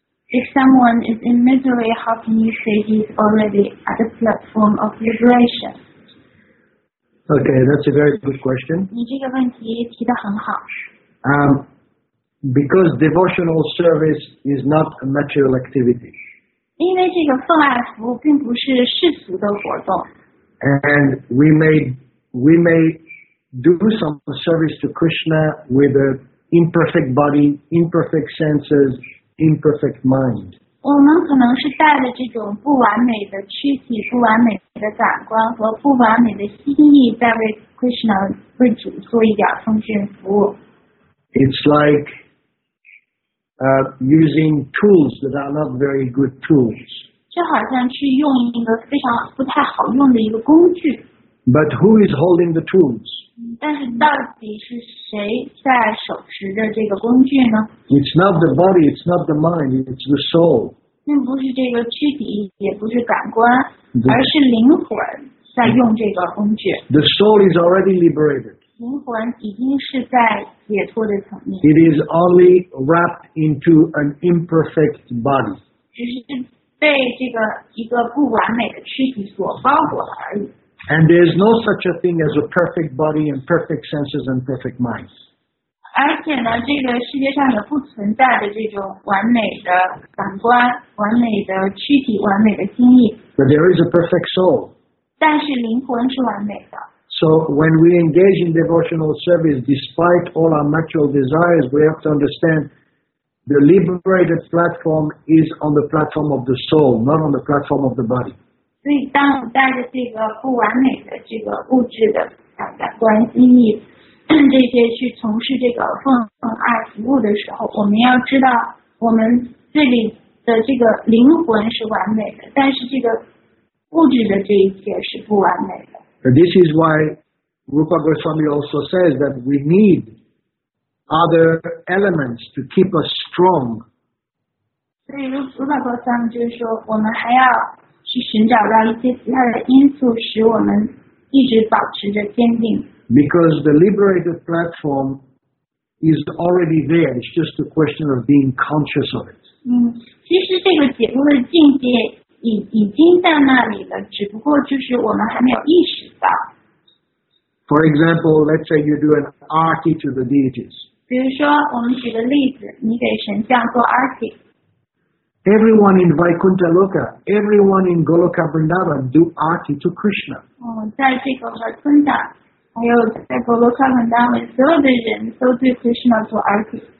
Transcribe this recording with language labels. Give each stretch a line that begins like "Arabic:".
English: If someone is in misery, how can you say he's already at the platform of liberation? Okay, that's a very good question.
Chinese: 你这个问题提得很好。
English: Because devotional service is not a material activity.
Chinese: 因为这个奉爱服务并不是世俗的活动。
English: And we may do some service to Krishna with an imperfect body, imperfect senses, imperfect mind.
Chinese: 我们可能是带着这种不完美的躯体、不完美的感官和不完美的心意，在为 Krishna 为主做一点奉献服务。
English: It's like. Using tools that are not very good tools.
Chinese: 就好像去用一个非常不太好用的一个工具。
English: But who is holding the tools?
Chinese: 但是到底是谁在手持着这个工具呢？
English: It's not the body, it's not the mind, it's the soul.
Chinese: 并不是这个躯体，也不是感官，而是灵魂在用这个工具。
English: The soul is already liberated.
Chinese: 灵魂已经是在解脱的层面。
English: It is only wrapped into an imperfect body.
Chinese: 只是被这个一个不完美的躯体所包裹了而已。
English: And there is no such a thing as a perfect body and perfect senses and perfect mind.
Chinese: 而且呢，这个世界上也不存在的这种完美的感官、完美的躯体、完美的心意。
English: But there is a perfect soul.
Chinese: 但是灵魂是完美的。
English: So when we engage in devotional service, despite all our material desires, we have to understand the liberated platform is on the platform of the soul, not on the platform of the body.
Chinese: 所以当我带着这个不完美的这个物质的感官心意。这些去从事这个奉爱服务的时候，我们要知道我们这里的这个灵魂是完美的，但是这个物质的这一切是不完美的。
English: But this is why Rupa Goswami also says that we need other elements to keep us strong.
Chinese: 所以 Rupa Goswami 就是说，我们还要去寻找到一些其他的因素，使我们一直保持着坚定。
English: Because the liberated platform is already there, it's just a question of being conscious of it.
Chinese: 其实这个解脱的境界已经在那里了，只不过就是我们还没有意识到。
English: For example, let's say you do an arti to the deities.
Chinese: 比如说，我们举个例子，你给神像做 arti。
English: Everyone in Vaikuntha Loka, everyone in Goloka Vrindavan do arti to Krishna.
Chinese: 在这个 Vaikuntha。还有在婆罗卡本大会，所有的人都对 Krishna 做 arti。